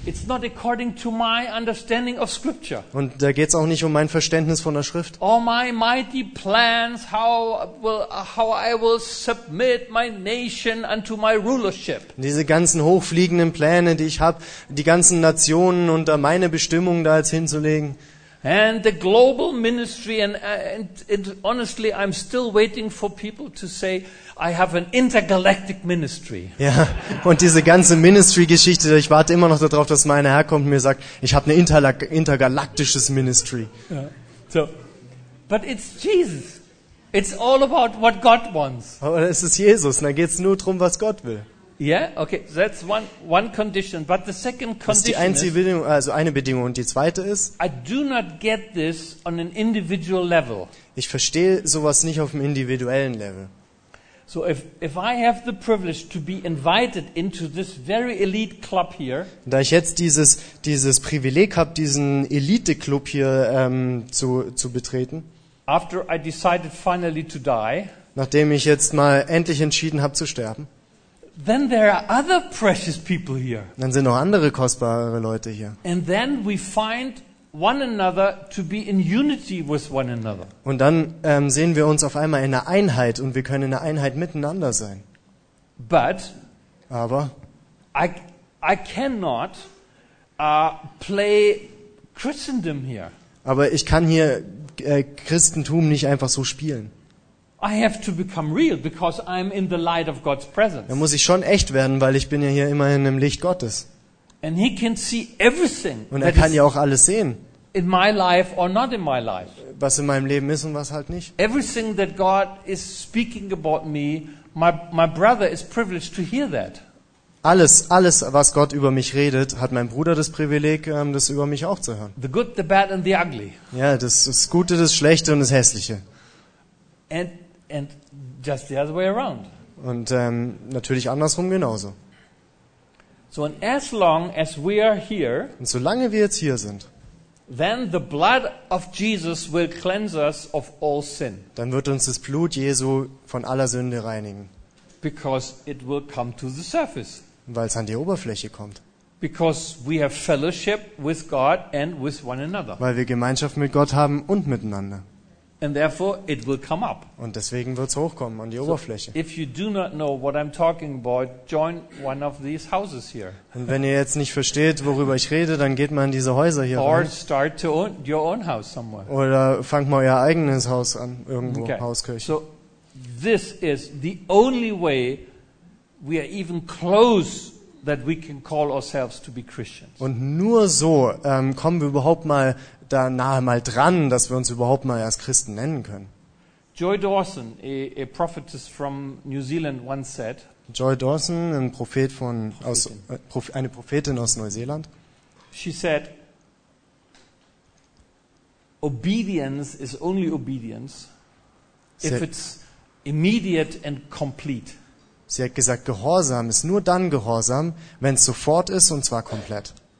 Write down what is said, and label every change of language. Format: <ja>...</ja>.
<en>It's not according to my understanding of scripture.</en> <de>Und da geht's auch nicht um mein Verständnis von der Schrift.</de> <en>Or my mighty plans, how I will submit my nation unto my rulership.</en> <de>Diese ganzen hochfliegenden Pläne, die ich habe, die ganzen Nationen unter meine Bestimmung da jetzt hinzulegen.</de> <en>And the global ministry, and honestly, I'm still waiting for people to say, I have an intergalactic ministry.</en> <de>Ja, und diese ganze Ministry-Geschichte, ich warte immer noch darauf, dass meine herkommt und mir sagt, ich habe ein intergalaktisches Ministry.</de> <en>Ja. So, but it's Jesus. It's all about what God wants.</en> <de>Aber es ist Jesus, da geht es nur darum, was Gott will.</de> <en>Yeah, okay, that's one condition. But the second condition,</en> <de>das ist die einzige Bedingung, also eine Bedingung, und die zweite ist,</de> <en>I do not get this on an individual level.</en> <de>Ich verstehe sowas nicht auf dem individuellen Level.</de> <en>So if I have the privilege to be invited into this very elite club here,</en> <de>da ich jetzt dieses Privileg habe, diesen Elite-Club hier zu betreten,</de> <en>after I decided finally to die,</en> <de>nachdem ich jetzt mal endlich entschieden habe zu sterben,</de> <en>then there are other precious people here.</en> <de>Dann sind noch andere kostbare Leute hier.</de> <en>And then we find one another to be in unity with one another.</en> <de>Und dann sehen wir uns auf einmal in einer Einheit und wir können in einer Einheit miteinander sein.</de> <en>But</en> <de>aber</de> <en>I cannot play Christendom here.</en> <de>Aber ich kann hier Christentum nicht einfach so spielen.</de> <en>I have to become real because I'm in the light of God's presence.</en> <de>Dann muss ich schon echt werden, weil ich bin ja hier immerhin im Licht Gottes.</de> <en>And he can see everything.</en> <de>Und er kann ja auch alles sehen.</de> <en>In my life or not in my life.</en> <de>Was in meinem Leben ist und was halt nicht.</de> <en>Everything that God is speaking about me, my brother is privileged to hear that.</en> <de>Alles was Gott über mich redet, hat mein Bruder das Privileg, das über mich auch zu hören.</de> <en>The good, the bad and the ugly.</en> <de>Ja, das Gute, das Schlechte und das Hässliche.</de> <en>And just the other way around.</en> <de>Und natürlich andersrum genauso.</de> <en>So and as long as we are here,</en> <de>und solange wir jetzt hier sind,</de> <en>then the blood of Jesus will cleanse us of all sin.</en> <de>Dann wird uns das Blut Jesu von aller Sünde reinigen.</de> <en>Because it will come to the surface.</en> <de>Weil es an die Oberfläche kommt.</de> <en>Because we have fellowship with God and with one another.</en> <de>Weil wir Gemeinschaft mit Gott haben und miteinander.</de> <en>And therefore it will come up.</en> <de>Und deswegen wird's hochkommen an die Oberfläche.</de> <en>If you do not know what I'm talking about, join one of these houses here.</en> <de>Und wenn ihr jetzt nicht versteht, worüber ich rede, dann geht mal in diese Häuser hier</de> <en>or</en> <de>rein.</de> <en>Or start to own your own house somewhere.</en> <de>Oder fangt mal euer eigenes Haus an irgendwo, okay. Hauskirche.</de> <en>So this is the only way we are even close that we can call ourselves to be Christians.</en> <de>Und nur so kommen wir überhaupt mal da nahe mal dran, dass wir uns überhaupt mal als Christen nennen können.</de> <en>Joy Dawson, a prophetess from New Zealand, once said.</en> <de>Joy Dawson, eine Prophetin aus Neuseeland.</de> <en>She said, "Obedience is only obedience if it's immediate and complete."</en> <de>Sie hat gesagt, Gehorsam ist nur dann Gehorsam, wenn es sofort ist und zwar komplett.</de>